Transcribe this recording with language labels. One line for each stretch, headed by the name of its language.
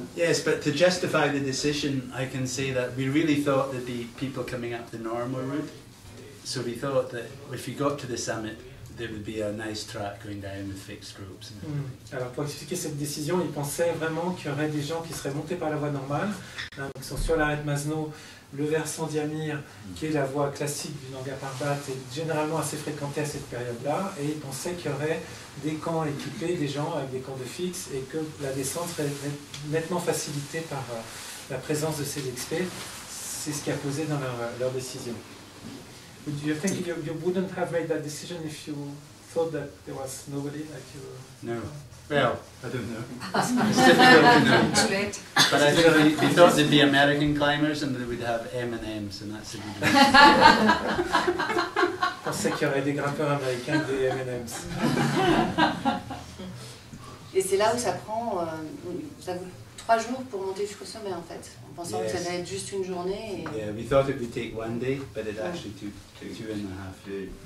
English: Yes, but to justify the decision, I can say that we really thought there'd be people coming up the normal route. So we thought that if you got to the summit, there would be a nice track going down with fixed groups.
French: Alors pour expliquer cette décision, ils pensaient vraiment qu'il y aurait des gens qui seraient montés par la voie normale, hein, qui sont sur l'arête Masno, le versant d'Yamir, qui est la voie classique du Nanga Parbat, est généralement assez fréquentée à cette période-là, et ils pensaient qu'il y aurait des camps équipés, des gens avec des camps de fixe, et que la descente serait nettement facilitée par la présence de ces experts. C'est ce qui a posé dans leur décision.
English: Do you think you wouldn't have made that decision if you thought that there was nobody like you? No. Well, I don't know. It's difficult to know. Too late. But I think we thought there'd be American climbers and they would have M&Ms, and that's a good one.
French: Pensais qu'il y aurait des grimpeurs américains des M&Ms. Et c'est là où ça prend 3 jours pour monter jusqu'au sommet, en fait. Pensant
English: yes.
French: que ça allait être juste une journée. Et...
English: Yeah, we thought it would take one day, but it actually took two and a half days.